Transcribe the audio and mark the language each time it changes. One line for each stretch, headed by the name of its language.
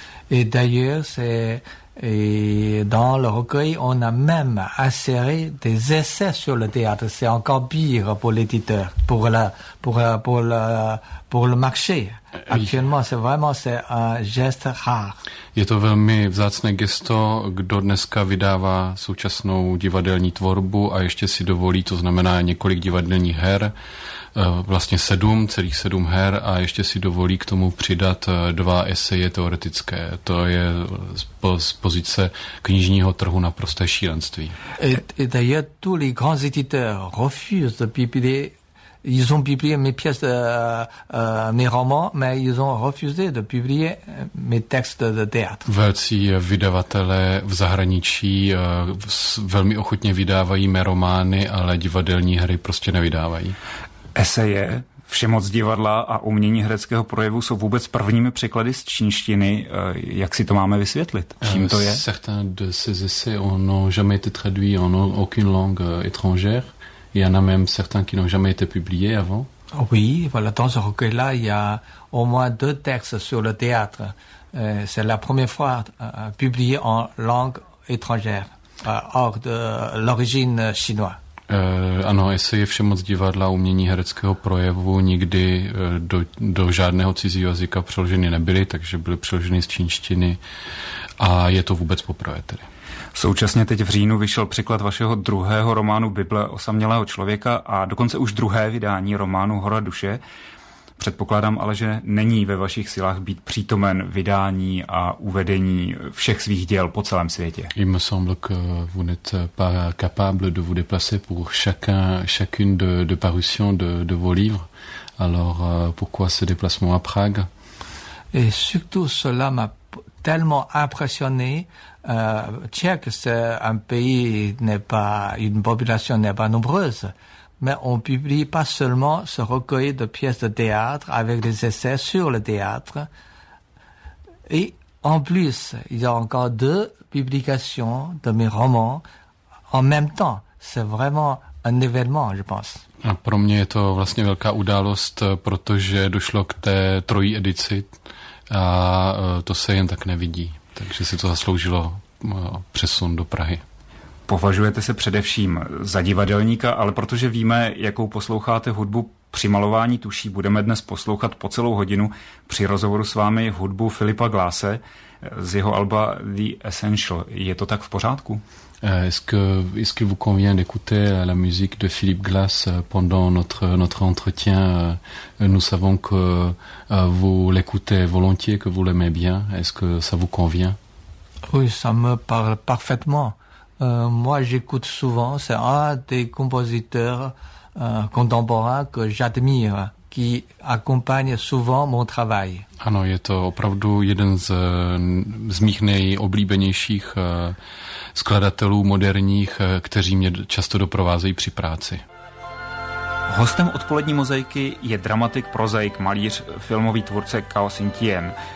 French: Et d'ailleurs c'est Et dans le recueil, on a même inséré des essais sur le théâtre. C'est encore pire pour l'éditeur, pour le marché. Actuellement, c'est vraiment c'est un geste rare.
Czech: Je to velmi vzácné gesto, kdo dneska vydává současnou divadelní tvorbu a ještě si dovolí, to znamená několik divadelních her, vlastně celých sedm her a ještě si dovolí k tomu přidat dva eseje teoretické. To je z pozice knižního trhu naprosté šílenství.
French: Et d'ailleurs, tous les grands éditeurs refusent de publier. Ils ont publié mes pièces, mes romans, mais ils ont refusé de publier mes textes de théâtre.
Czech: Velcí vydavatelé v zahraničí velmi ochotně vydávají mé romány, ale divadelní hry prostě nevydávají. Eseje, všemoc divadla a umění hereckého projevu jsou vůbec prvními překlady z čínštiny. Jak si to máme vysvětlit? Čím to je?
French: Certains de ces essais n'ont jamais été traduits en aucune langue étrangère. Il y en a même certains qui n'ont jamais été publiés avant. Oui, voilà, dans ce recueil-là, il y a au moins deux textes sur le théâtre. C'est la première fois publié en langue étrangère, hors de l'origine chinoise.
Czech: Ano, eseje všemoc divadla, umění hereckého projevu nikdy do žádného cizího jazyka přeloženy nebyly, takže byly přeloženy z čínštiny a je to vůbec poprvé tedy. Současně teď v říjnu vyšel překlad vašeho druhého románu Bible osamělého člověka a dokonce už druhé vydání románu Hora duše. Předpokládám ale, že není ve vašich silách být přítomen vydání a uvedení všech svých děl po celém světě.
French: Il me semble que vous n'êtes pas capable de vous déplacer pour chacune de parution de vos livres. Alors pourquoi ce déplacement à Prague? Et surtout cela m'a tellement impressionné. Tchèque, c'est un pays, n'est pas une population n'est pas nombreuse, mais on publie pas seulement ce recueil de pièces de théâtre avec des essais sur le théâtre. Et en plus, il y a encore deux publications de mes romans en même temps. C'est vraiment un événement, je pense.
Czech: A pro mě je to vlastně velká událost, protože došlo k té trojí edici a to se jen tak nevidí. Takže si to zasloužilo přesun do Prahy. Považujete se především za divadelníka, ale protože víme, jakou posloucháte hudbu při malování tuší, budeme dnes poslouchat po celou hodinu při rozhovoru s vámi hudbu Philippa Glasse z jeho alba The Essential. Je to tak v pořádku?
French: Est-ce qu'il vous convient d'écouter la musique de Philippe Glass pendant notre entretien? Nous savons que vous l'écoutez volontiers, que vous l'aimez bien. Est-ce que ça vous convient? Oui, ça me parle parfaitement. Moi, j'écoute souvent. C'est un des compositeurs contemporains que j'admire, qui accompagne souvent mon travail.
Czech: Ano, je to opravdu jeden z mých nejoblíbenějších skladatelů moderních, kteří mě často doprovázejí při práci. Hostem odpolední mozaiky je dramatik, prozaik, malíř, filmový tvůrce Cao Xintian.